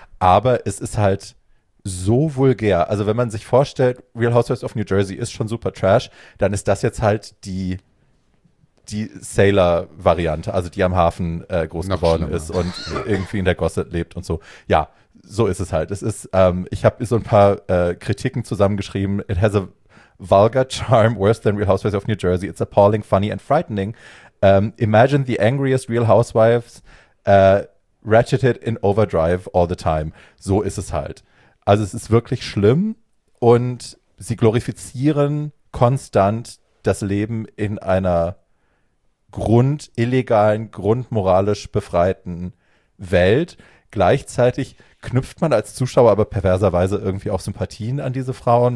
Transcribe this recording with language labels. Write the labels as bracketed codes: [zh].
[de] Aber es ist halt so vulgär. Also wenn man sich vorstellt, Real Housewives of New Jersey ist schon super trash, dann ist das jetzt halt die Sailor-Variante, also die am Hafen groß noch geworden schlimmer. Ist und irgendwie in der Gosse lebt und so. Ja, so ist es halt. Es ist, ich habe so ein paar Kritiken zusammengeschrieben. [en] It has a vulgar charm worse than Real Housewives of New Jersey. It's appalling, funny and frightening. Imagine the angriest Real Housewives ratcheted in overdrive all the time. [de] So ist es halt. Also es ist wirklich schlimm und sie glorifizieren konstant das Leben in einer grundillegalen, grundmoralisch befreiten Welt. Gleichzeitig knüpft man als Zuschauer aber perverserweise irgendwie auch Sympathien an diese Frauen.